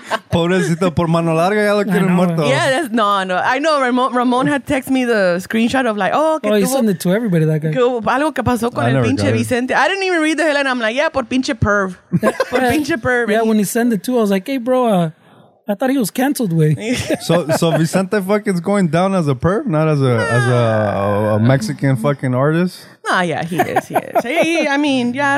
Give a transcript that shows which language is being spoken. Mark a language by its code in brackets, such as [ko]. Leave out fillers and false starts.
[es] Pobrecito, por mano larga ya lo quieren muerto. [en] Yeah, that's, no, no. I know Ramon had text me the screenshot of like, oh, [es] que tuvo. [en] Oh, he sent it to everybody, that guy. [es] Que hubo algo que pasó con el pinche Vicente. [en] I didn't even read the headline. I'm like, yeah, [es] por pinche perv. Por pinche perv. [en] Yeah, when he sent it to, I was like, hey, bro, I thought he was canceled, way. So Vicente fucking's going down as a perv, not as a Mexican fucking artist. No, yeah, he is. I mean, yeah,